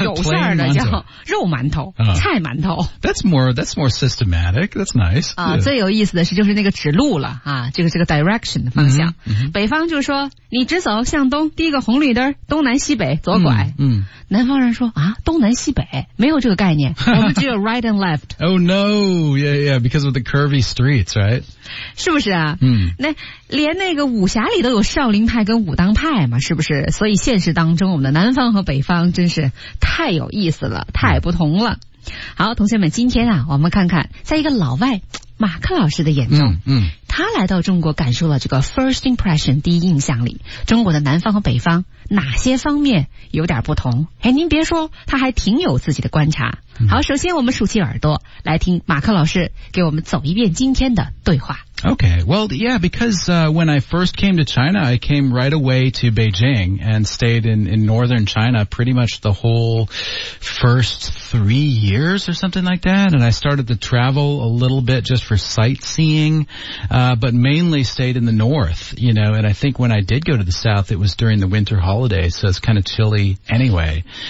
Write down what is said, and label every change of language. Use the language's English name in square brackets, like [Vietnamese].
[Chinese] 有馅儿的叫肉馒头、菜馒头 [English] that's more systematic That's nice. [Chinese] 啊，最有意思的是就是那个指路了啊，这个 direction 的方向。 Mm-hmm, mm-hmm. 北方就是说你直走向东，第一个红绿灯，东南西北左拐。嗯、mm-hmm. ，南方人说啊，东南西北没有这个概念，我们只有 [English] right and left. Oh no, yeah, yeah, because of the curvy streets, right? [Chinese] 是不是啊？嗯、 mm-hmm. ，那连那个武侠里都有少林派跟武当派嘛，是不是？所以现实当中我们的南方和北方真是太有意思了，太不同了。 Mm-hmm. 好，同学们，今天啊，我们看看，在一个老外马克老师的眼中，他来到中国，感受了这个 first impression 第一印象里，中国的南方和北方哪些方面有点不同？哎，您别说，他还挺有自己的观察。好，首先我们竖起耳朵来听马克老师给我们走一遍今天的对话。 [English] Okay, well, yeah, because, when I first came to China, I came right away to Beijing and stayed in northern China pretty much the whole first 3 years or something like that. And I started to travel a little bit just for sightseeing, but mainly stayed in the north, you know, and I think when I did go to the south, it was during the winter holidays, so it's kind of chilly anyway.